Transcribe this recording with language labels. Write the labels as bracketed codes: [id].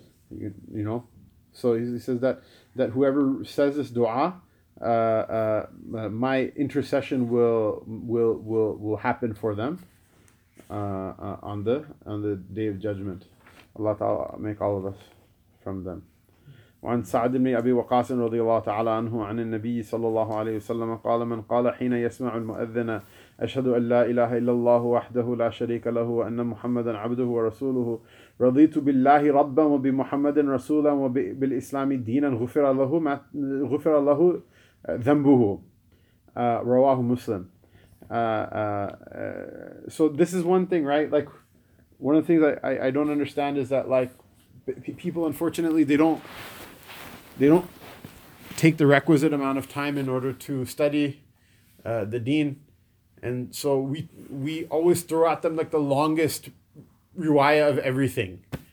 [en] You know, so he says that whoever says this dua, my intercession will happen for them on the Day of Judgment. Allah Ta'ala make all of us from them. [ar] وعن سعد بن أبي وقاص رضي الله تعالى عنه عن النبي صلى الله عليه وسلم قال من قال حين يسمع المؤذن أشهد أن لا إله إلا الله وحده لا شريك له وأن محمدا عبده ورسوله رضيت بالله ربا وبمحمد رسولا وبالإسلام دينا غفر له ذنبه رواه مسلم. [en] So this is one thing, right? Like one of the things I don't understand is that like people, unfortunately, they don't take the requisite amount of time in order to study the deen. And so we always throw at them like the longest riwayah of everything.